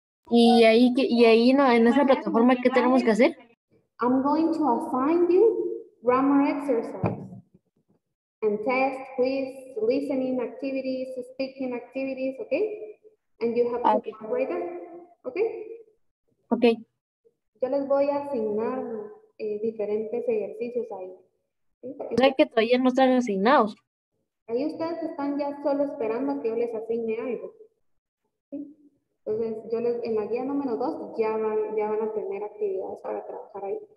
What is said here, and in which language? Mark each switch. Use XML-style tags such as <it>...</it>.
<es>Y ahí no, en esa plataforma, ¿qué tenemos que hacer?</es> <en>I'm going to assign you grammar exercise and test, quiz, listening activities, speaking activities, okay? And you have okay. to write it. Okay? Okay.</en> <es>Yo les voy a asignar diferentes ejercicios ahí. ¿Sí? Es que todavía no están asignados. Ahí ustedes están ya solo esperando que yo les asigne algo. ¿Sí? Entonces, yo les, en la guía número 2 ya van a tener actividades para trabajar ahí.</es>